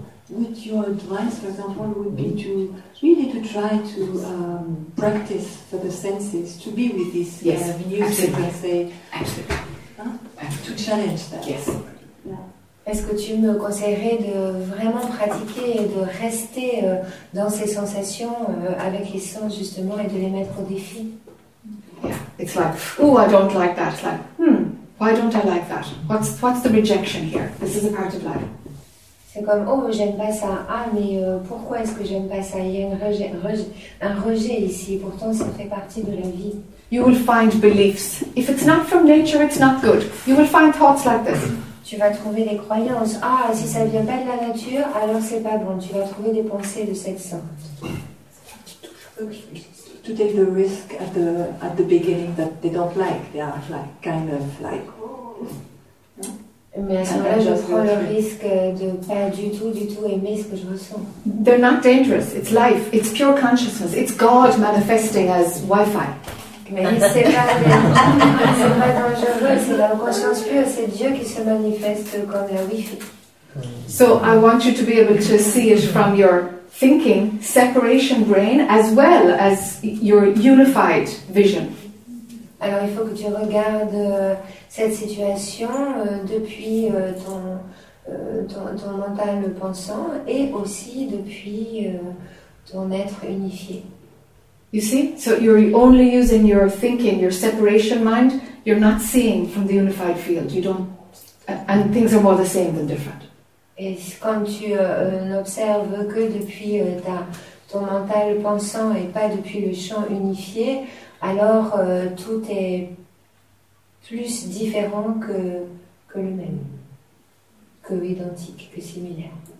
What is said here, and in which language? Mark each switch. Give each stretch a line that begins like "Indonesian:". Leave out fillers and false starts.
English: Would your advice, for example, would be to really to try to practice for the senses, to be with this music, let's say? Absolutely. To challenge that. Yes.
French: Est-ce que tu me conseillerais de vraiment pratiquer et de rester dans ces sensations avec les sens justement et de les mettre au défi?
English: Yeah, it's like, oh, I don't like that. Like, why don't I like that? What's the rejection here? This is a part of life.
French: C'est comme, oh, j'aime pas ça. Ah, mais pourquoi est-ce que j'aime pas ça? Il y a un rejet ici. Pourtant, ça fait partie de la vie.
English: You will find beliefs. If it's not from nature, it's not good. You will find thoughts like this.
French: Tu vas trouver des croyances. Ah, si ça vient pas de la nature, alors c'est pas bon. Tu vas trouver des pensées de cette sorte.
English: To take the risk at the beginning that they don't like, they are like kind of like.
French: Mais à ce moment-là, je prends le risque de pas du tout aimer ce que je ressens.
English: They're not dangerous. It's life. It's pure consciousness. It's God manifesting as Wi-Fi.
French: Mais c'est pas dangereux, c'est la conscience pure, c'est Dieu qui se manifeste comme la Wi-Fi.
English: So I want you to be able to see it from your thinking, separation brain, as well as your unified vision.
French: Alors il faut que tu regardes cette situation depuis ton mental pensant et aussi depuis ton être unifié.
English: You see? So you're only using your thinking, your separation mind. You're not seeing from the unified field. You don't, and things are more the same than different.
French: Et quand tu n'observes que depuis ton mental pensant et pas depuis le champ unifié, alors tout est plus différent que le même, que identique, que similaire.